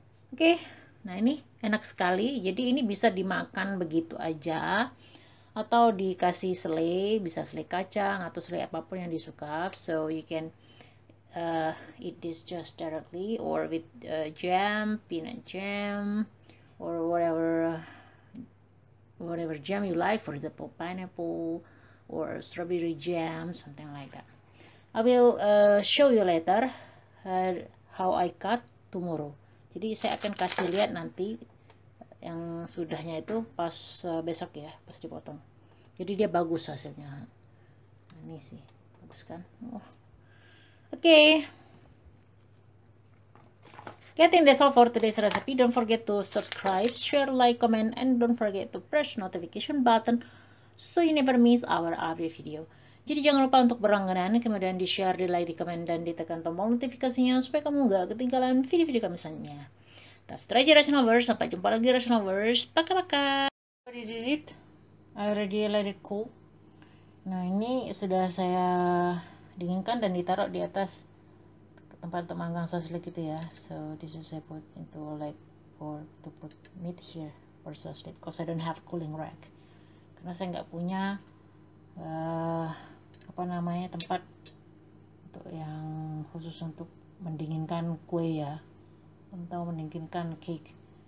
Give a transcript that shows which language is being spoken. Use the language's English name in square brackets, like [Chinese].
[Indonesian] Okay, nah ini enak sekali. Jadi ini bisa dimakan begitu aja atau dikasih selai, bisa selai kacang atau selai apapun yang disuka. [English] So you can eat this just directly or with jam, peanut jam, or whatever jam you like, for example pineapple or strawberry jam, something like that. I will show you later how I cut tomorrow. [Indonesian] Jadi saya akan kasih lihat nanti yang sudahnya itu pas besok ya, pas dipotong. Jadi dia bagus hasilnya. Ini sih, bagus kan? Oh. Okay. [English] Okay, I think that's all for today's recipe. Don't forget to subscribe, share, like, comment, and don't forget to press notification button so you never miss our every video. [Indonesian] Jadi jangan lupa untuk berlangganan, kemudian di-share, di-like, di-comment, dan ditekan tombol notifikasinya supaya kamu gak ketinggalan video-video kami selanjutnya. [English] That's it [Indonesian] aja, Rationalverse. Sampai jumpa lagi, Rationalverse. Pakai-pakai. [English] What is it? I already let it cool. [Indonesian] Nah, ini sudah saya dinginkan dan ditaruh di atas tempat untuk manggang sausage gitu ya. [English] So, this is I put into like for to put meat here for sausage because I don't have cooling rack. [Indonesian] Karena saya nggak punya apa namanya tempat untuk yang khusus untuk mendinginkan kue ya atau mendinginkan cake.